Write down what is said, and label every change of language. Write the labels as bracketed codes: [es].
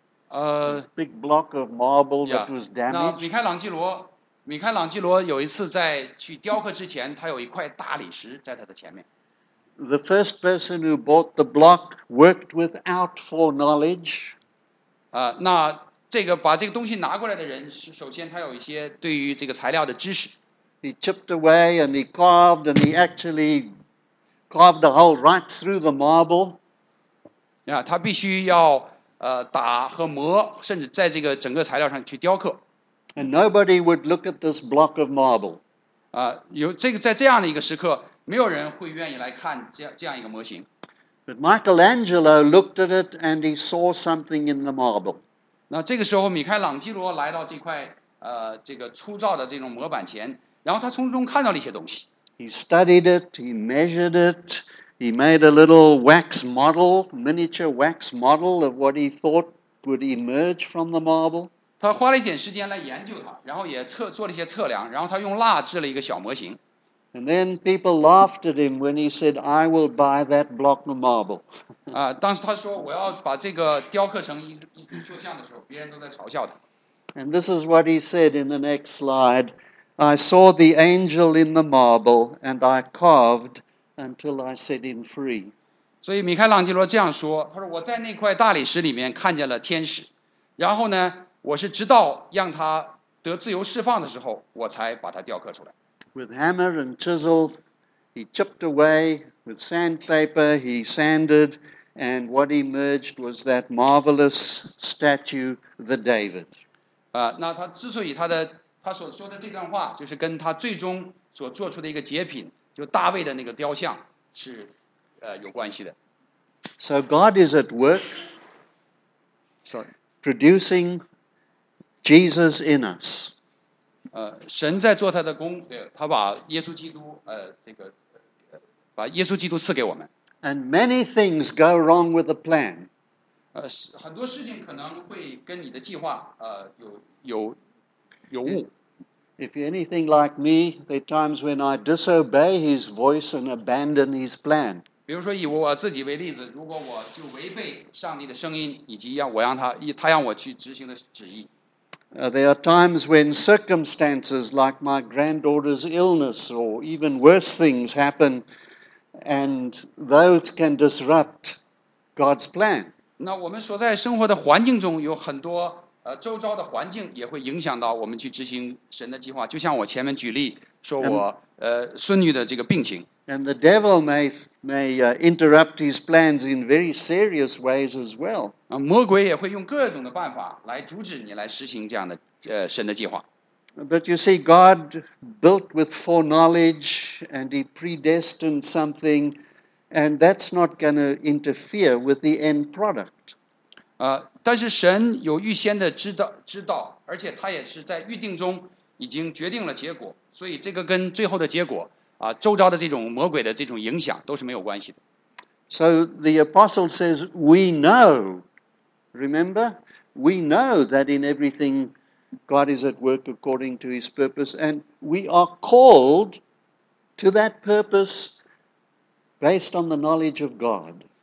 [en] A big block of marble that was damaged. [zh] 米开朗基罗有一次在去雕刻之前，他有一块大理石在他的前面。 [en] The first person who bought the block worked without foreknowledge. [zh] 那这个把这个东西拿过来的人，首先他有一些对于这个材料的知识。 [en] He chipped away and he carved and he actually carved a hole right through the marble. [zh] Yeah, 他必须要打和磨，甚至在这个整个材料上去雕刻。 [en] And nobody would look at this block of marble. [zh] 有这个在这样的一个时刻，没有人会愿意来看这样一个模型。 [en] But Michelangelo looked at it and he saw something in the marble. [zh] 那这个时候，米开朗基罗来到这块这个粗糙的这种模板前。然后他从中看到了一些东西。 [en] He studied it, he measured it, he made a little wax model, miniature wax model of what he thought would emerge from the marble. [zh] 他花了一点时间来研究它，然后也做了一些测量，然后他用蜡制了一个小模型。 [en] And then people laughed at him when he said, "I will buy that block of marble." [zh] 当时他说我要把这个雕刻成一幅塑像的时候，别人都在嘲笑他。 [en] And this is what he said in the next slide. I saw the angel in the marble, and I carved until I set him free. [zh] 所以米开朗基罗这样说，他说我在那块大理石里面看见了天使，然后呢，我是直到让他得自由释放的时候，我才把他雕刻出来。 [en] With hammer and chisel, he chipped away. With sandpaper, he sanded, and what emerged was that marvelous statue, the David. [zh] 那他之所以他所说的这段话，就是跟他最终所做出的一个结品，就大卫的那个雕像是有关系的。 [en] So God is at work, producing Jesus in us. [zh] 神在做他的工，他把耶稣基督把耶稣基督赐给我们。 [en] And many things go wrong with the plan. [zh] 很多事情可能会跟你的计划有误。 [en] If you're anything like me, there are times when I disobey His voice and abandon His plan. [zh] 比如说以我自己为例子，如果我就违背上帝的声音，以及他让我去执行的旨意。 [en] There are times when circumstances like my granddaughter's illness or even worse things happen, and those can disrupt God's plan. [zh] 那我们所在生活的环境中有很多。周遭的环境也会影响到我们去执行神的计划，就像我前面举例说我孙女的这个病情。 [en] And the devil may interrupt his plans in very serious ways as well. [zh] 魔鬼也会用各种的办法来阻止你来实行这样的神的计划。 [en] But you see, God built with foreknowledge, and He predestined something, and that's not going to interfere with the end product. [zh] 但是神有预先的知道，而且他也是在预定中已经决定了结果，所以这个跟最后的结果周遭的这种魔鬼的这种影响都是没有关系的。 [en] So the apostle says, "We know, remember, we know that in everything God is at work according to His purpose, and we are called to that purpose based on the knowledge of God."